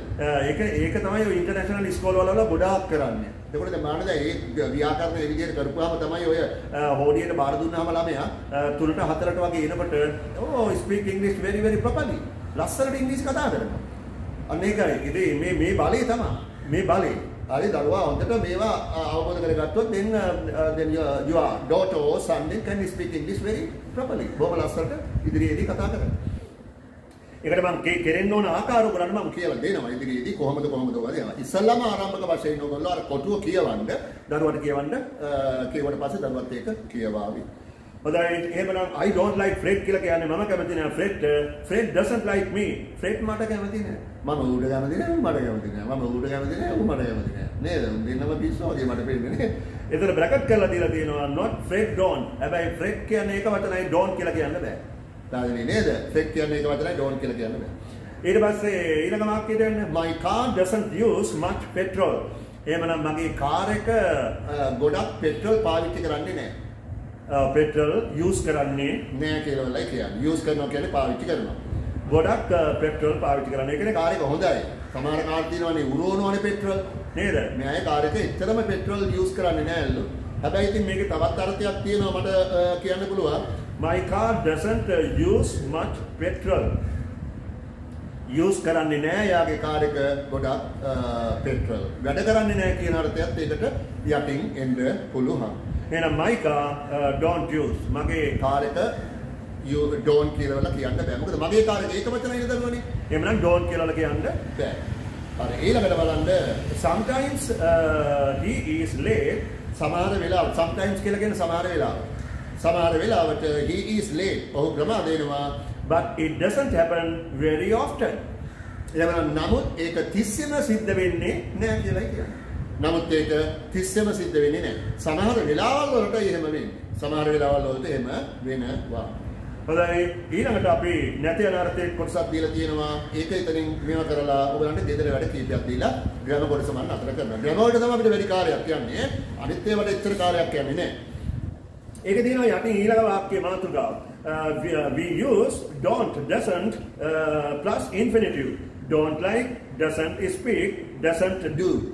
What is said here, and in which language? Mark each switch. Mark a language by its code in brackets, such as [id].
[si] ඒක තමයි ඔය ඉන්ටර්නැෂනල් ස්කෝල් වලලා ගොඩාක් කරන්නේ. එතකොට දැන් මානද ඒ ව්‍යාකරණ ඒ විදිහට කරපුවාම තමයි ඔය හෝඩියට බාර දුන්නාම ළමයා 3ට 4ට වගේ එනකොට ඕ ස්පීක් ඉංග්‍රීසි වෙරි වෙරි ප්‍රොපර්ලි ලස්සනට ඉංග්‍රීසි කතා කරනවා. අන්න ඒකයි. ඉතින් මේ බලේ තමයි. මේ බලේ. හරි, දරුවා හොඳට මේවා අවබෝධ කරගත්තොත් [en] then you are daughter or son can speak english very properly. [si] බොහොම ලස්සනට ඉදිරියේදී කතා කරනවා. ඒකට මම කෙරෙන්න ඕන ආකාරය ගලන්න මම කියලා දෙනවා ඉදිරියේදී කොහොමද වගේ. ඉස්සල්ලාම ආරම්භක වශයෙන් ඕගොල්ලෝ අර කොටුව කියවන්න, දරුවන්ට කියවන්න, කියවුවට පස්සේ දරුවත් ඒක කියවාවි. හොඳයි, එහෙමනම් [en] I don't like Fred [si] කියලා කියන්නේ මම කැමති නෑ Fred. [en] Fred doesn't like me. [si] Fred මට කැමති නෑ. මම ඌට කැමති නෑ, මට කැමති නෑ. මම ඌට කැමති නෑ, ඌ මට කැමති නෑ. නේද? උන් දෙන්නම පිස්සෝ වගේ මට පේන්නේ නේ. ඒතර බ්‍රැකට් කරලා දීලා තියෙනවා not Fred don't. හැබැයි Fred කියන්නේ එක වචනයි don't කියලා කියන්න බෑ. දැන්නේ නේද? ෆෙක් කියන්නේ එක වචනයි don't කියලා කියන්න බෑ. ඊට පස්සේ ඊළඟ වාක්‍යය දෙන්න [en] my car doesn't use much petrol. [si] එහෙමනම් මගේ කාර් එක ගොඩක් petrol පාවිච්චි කරන්නේ නැහැ. Petrol use කරන්නේ නැහැ කියලා ලයි කියන්නේ. Use කරනවා කියන්නේ පාවිච්චි කරනවා. ගොඩක් petrol පාවිච්චි කරන්නේ. ඒ කියන්නේ කාර් එක හොඳයි. සමහර කාර් තියෙනවානේ උරෝනෝනේ petrol නේද? මේ අය කාර් එක එච්චරම petrol use කරන්නේ නැහැ ಅಲ್ಲෝ. හැබැයි ඉතින් මේකේ තවත් අර්ථයක් තියෙනවා මට කියන්න පුළුවා. [en] My car doesn't use much petrol. [si] Use කරන්නේ නැහැ යාගේ කාර් එක ගොඩක් petrol. වැඩ කරන්නේ නැහැ කියන අර්ථයත් ඒකට යටින් එන්න පුළුවන්. එහෙනම් [en] my car don't use. [si] මගේ කාර් එක you don't කියලා කියන්න බෑ. මොකද මගේ කාර් එක ඒක වචනයි නේද දරුවනේ? එහෙනම් don't කියලා කියන්න බෑ. හරි, ඊළඟට බලන්න [en] sometimes he is late. [si] සමහර වෙලාවට sometimes කියලා කියන සමහර වෙලාවට සමහර වෙලාවට [en] he is late. [si] ඔහු ප්‍රමාද වෙනවා. [en] But it doesn't happen very often. [si] එහෙනම් නමුත් ඒක 30ම සිද්ධ වෙන්නේ නැහැ කියලා කියනවා. නමුත් ඒක 30ම සිද්ධ වෙන්නේ නැහැ. සමහර වෙලාවල් වලට එහෙම වෙන්නේ. සමහර වෙලාවල් වලට එහෙම වෙනවා. හොඳයි, ඊළඟට අපි නැති යන අර්ථයේ කොටසක් දීලා තියෙනවා. ඒක එතනින් මෙහෙම කරලා ඔයගලන්ට දෙදර වැඩ කීපයක් දීලා ග්‍රැම කොටස මම අතර කරනවා. ග්‍රැම වලට තමයි අපිට වැඩි කාර්යයක් යන්නේ. අනිත් ඒවාට extra කාර්යයක් යන්නේ නැහැ. ඒක දිනවා යටින් ඊළඟ වාක්‍ය මාතෘකාව. [en] We use don't, doesn't plus infinitive. Don't like, doesn't speak, doesn't do.